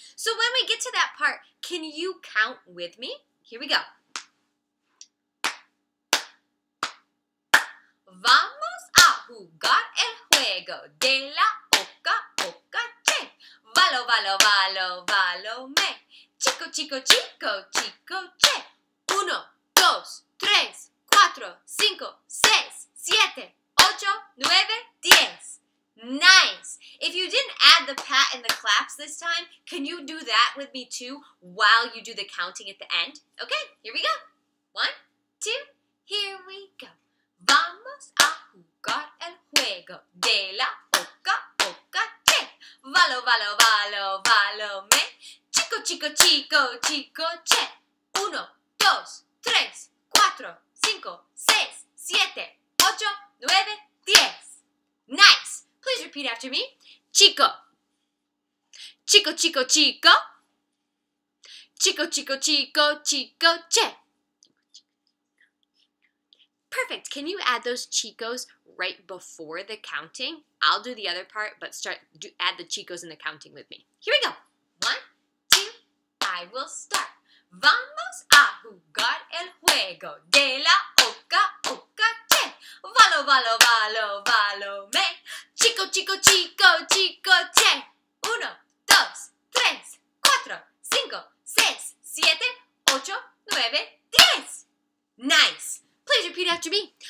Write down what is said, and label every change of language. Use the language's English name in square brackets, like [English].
[English] So when we get to that part, can you count with me? Here we go. [Spanish] Vamos a jugar el juego de la oca, oca, che. Valo, valo, valo, valo, me. Chico, chico, chico, chico, che. Uno, dos, tres, cuatro, cinco, seis, siete, ocho, nueve, diez. Nice. [English] If you didn't add the pat and the claps this time, can you do that with me too while you do the counting at the end? Okay, here we go. One, two, here we go. [Spanish] Vamos a jugar el juego de la oca, oca, che. Valo, valo, valo, valo, me. Chico, chico, chico, chico, che. Uno, dos, tres, cuatro, cinco, seis, siete, ocho, nueve, diez. [English] Nice. Please repeat after me. [Spanish] Chico. Chico, chico, chico. Chico, chico, chico, chico, che. [English] Perfect. Can you add those chicos right before the counting? I'll do the other part, but add the chicos in the counting with me. Here we go. One, two, I will start. [Spanish] Vamos a jugar el juego de la oca, oca, che. Valo, valo, valo, valo, me. Chico, chico, chico, chico, che. Uno, dos, tres, cuatro, cinco, seis, siete, ocho, nueve, diez. [English] Nice. Please repeat after me.